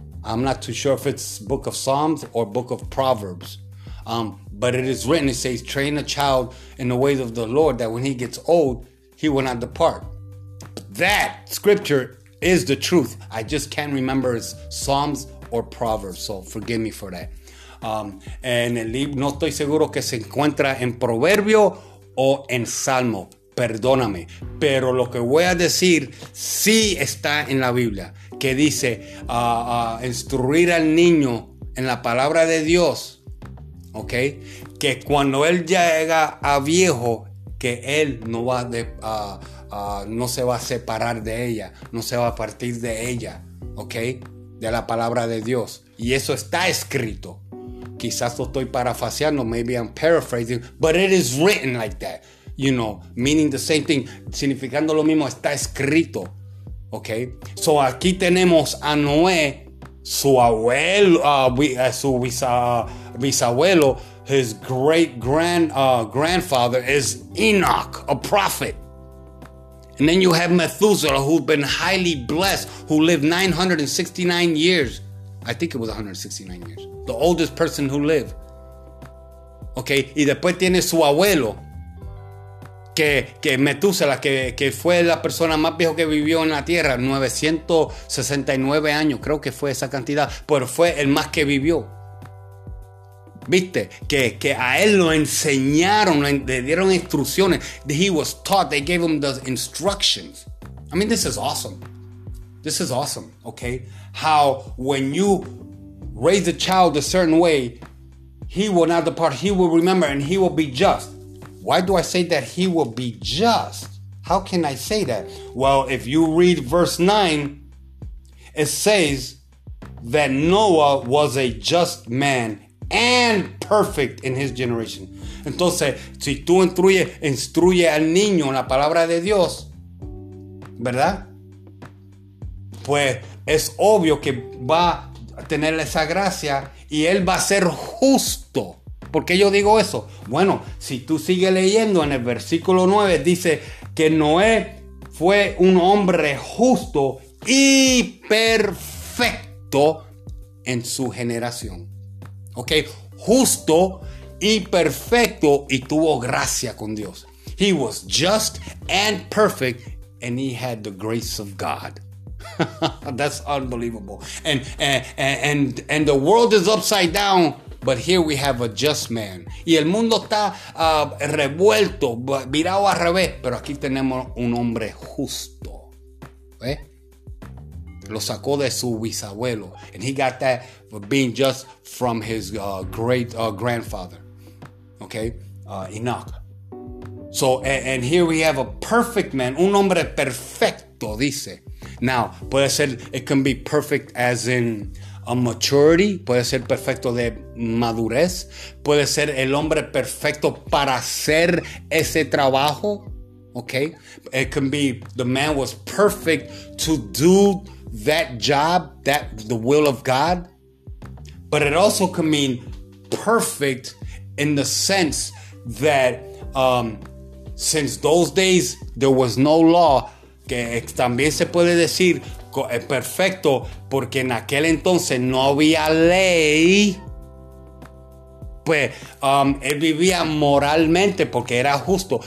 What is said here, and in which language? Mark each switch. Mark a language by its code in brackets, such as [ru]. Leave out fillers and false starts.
[en] I'm not too sure if it's Book of Psalms or Book of Proverbs. But it is written, it says, train a child in the ways of the Lord that when he gets old, he will not depart. That scripture is the truth. I just can't remember it's Psalms or Proverbs, so forgive me for that. [es] En el libro, no estoy seguro que se encuentra en proverbio o en salmo. Perdóname, pero lo que voy a decir sí está en la Biblia, que dice instruir al niño en la palabra de Dios, ¿ok? Que cuando él llega a viejo, que él no va de, no se va a separar de ella, no se va a partir de ella, ¿ok? De la palabra de Dios. Y eso está escrito. Quizás lo estoy parafraseando, [en] maybe I'm paraphrasing, but it is written like that, you know, meaning the same thing, [es] significando lo mismo, está escrito, ¿ok? [en] So [es] aquí tenemos a Noé, su abuelo, bisabuelo, [en] his great grandfather is Enoch, a prophet. And then you have Methuselah, who's been highly blessed, who lived 969 years. I think it was 169 years. The oldest person who lived. [es] Okay, y después tiene su abuelo, que Methuselah, que fue la persona más viejo que vivió en la tierra, 969 años, creo que fue esa cantidad, pero fue el más que vivió. Viste, que a él lo enseñaron, le dieron instrucciones. [en] He was taught, they gave him the instructions. I mean, this is awesome. This is awesome, okay? How when you raise a child a certain way, he will not depart, he will remember, and he will be just. Why do I say that he will be just? How can I say that? Well, if you read verse 9, it says that Noah was a just man and perfect in his generation. [es] Entonces, si tú instruye al niño la palabra de Dios, ¿verdad? Pues es obvio que va a tener esa gracia y él va a ser justo. ¿Por qué yo digo eso? Bueno, si tú sigues leyendo en el versículo 9, dice que Noé fue un hombre justo y perfecto en su generación. Ok, justo y perfecto y tuvo gracia con Dios. [en] He was just and perfect and he had the grace of God. That's unbelievable. And the world is upside down, but here we have a just man. [es] Y el mundo está revuelto, virado al revés, pero aquí tenemos un hombre justo. ¿Eh? Lo sacó de su bisabuelo. [en] And he got that for being just from his great grandfather. Okay? Enoch. So, and here we have a perfect man. [es] Un hombre perfecto, dice. [en] Now, [es] puede ser, [en] it can be perfect as in a maturity. [es] Puede ser perfecto de madurez. Puede ser el hombre perfecto para hacer ese trabajo. [en] Okay? It can be the man was perfect to do that job, that the will of God. But it also can mean perfect in the sense that since those days there was no law, [es] que también se puede decir perfecto porque en aquel entonces no había ley, pues él vivía moralmente porque era justo.